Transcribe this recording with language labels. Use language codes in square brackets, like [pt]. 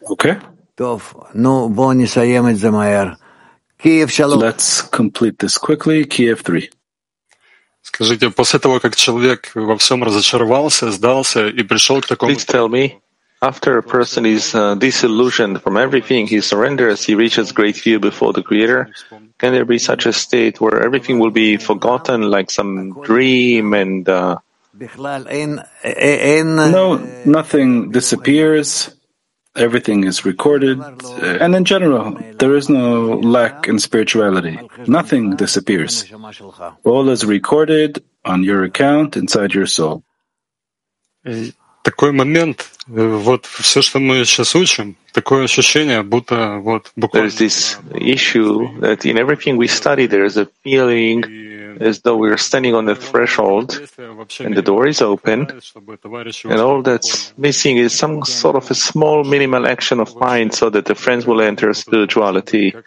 [en] Okay. Let's complete this quickly. Kiev 3. [ru] Скажите, после того, как человек во всем разочаровался, сдался и пришел к такому... [en] Please tell me, after a person is disillusioned from everything, he surrenders, he reaches great view before the Creator, can there be such a state where everything will be forgotten, like some dream and... No, nothing disappears, everything is recorded, and in general, there is no lack in spirituality. Nothing disappears. All is recorded on your account inside your soul. [ru] Такой момент, вот все, что мы сейчас учим, такое ощущение, будто вот буквально... [en] There is this issue that in everything we study, there is a feeling as though we are standing on the threshold and the door is open, and all that's missing is some sort of a small minimal action of mind so that the friends will enter spirituality.